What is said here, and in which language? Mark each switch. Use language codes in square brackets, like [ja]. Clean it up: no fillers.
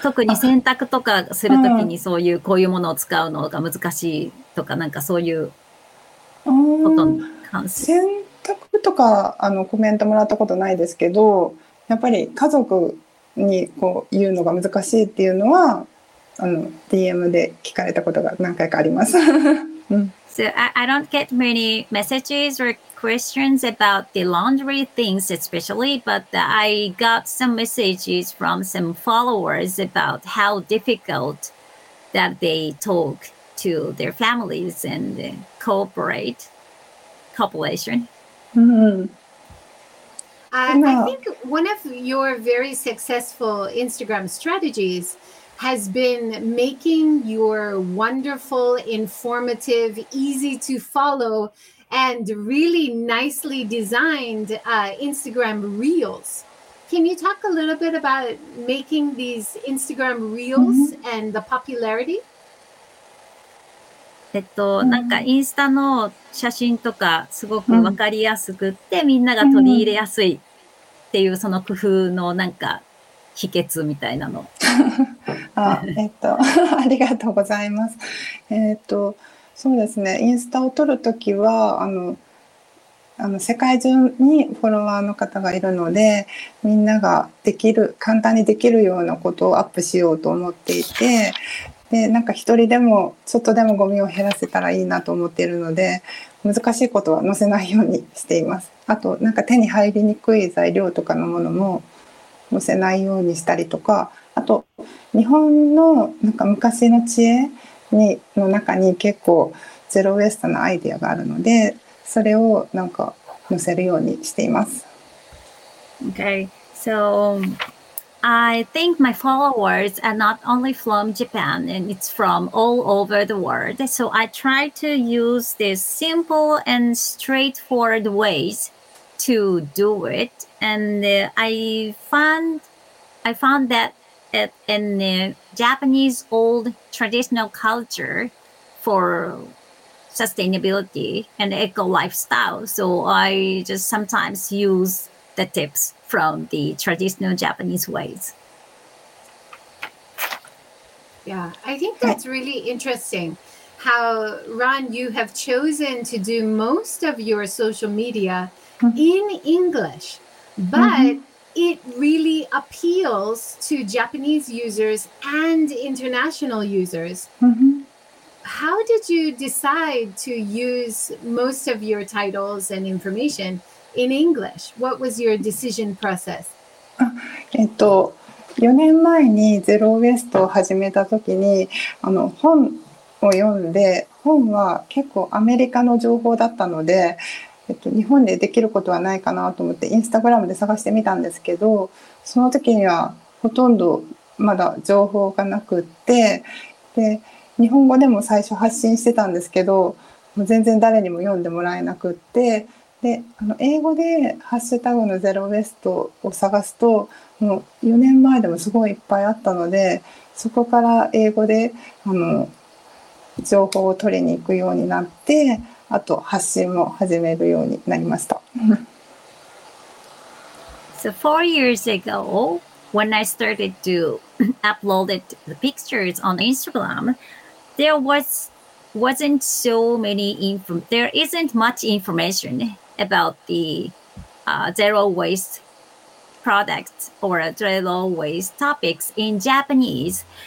[ja] 特に選択とかするときにそういう、こういうものを使うのが難しいとか、なんかそういうことに関する。タクとかコメントもらったことないですけど、やっぱり家族にこう言うのが難しいっていうのは、DM で聞かれたことが何回かあります。 [en] So I don't get many messages or questions about the laundry things especially, but I got some messages from some followers about how difficult that they talk to their families and cooperate, cooperation. I think one of your very successful Instagram strategies has been making your wonderful, informative, easy to follow, and really nicely designed Instagram reels. Can you talk a little bit about making these Instagram reels and the popularity? [ja] なんかインスタの写真とかすごくわかりやすくって、みんなが取り入れやすいっていうその工夫のなんか秘訣みたいなの。あ、ありがとうございます。そうですね。インスタを撮るときは、世界中にフォロワーの方がいるので、みんなができる、簡単にできるようなことをアップしようと思っていて、で、なんか一人でも、ちょっとでもゴミを減らせたらいいなと思っているので、難しいことは載せないようにしています。あと、なんか手に入りにくい材料とかのものも載せないようにしたりとか、あと、日本のなんか昔の知恵にの中に結構ゼロウェストなアイデアがあるので、それをなんか載せるようにしています。 [en] Okay, so... I think my followers are not only from Japan, and it's from all over the world. So I try to use these simple and straightforward ways to do it. And I found that in the Japanese old traditional culture for sustainability and eco lifestyle. So I just sometimes use the tips. From the traditional Japanese ways. Yeah, I think that's really interesting how, Ron, you have chosen to do most of your social media in English, but it really appeals to Japanese users and international users. How did you decide to use most of your titles and information? In English, what was your decision process? [ja] 4年前にゼロウエストを始めた時に本を読んで、本は結構アメリカの情報だったので、日本でできることはないかなと思ってインスタグラムで探してみたんですけど、その時にはほとんどまだ情報がなくって、で日本語でも最初発信してたんですけど、もう全然誰にも読んでもらえなくって、で英語でハッシュタグのゼロウエストを探すと、もう4年前でもすごいいっぱいあったので、そこから英語で情報を取りに行くようになって、あと発信も始めるようになりました。 [en] So 4 years ago, when I started to upload the pictures on Instagram, there isn't much information. About the zero waste products or zero waste topics in Japanese.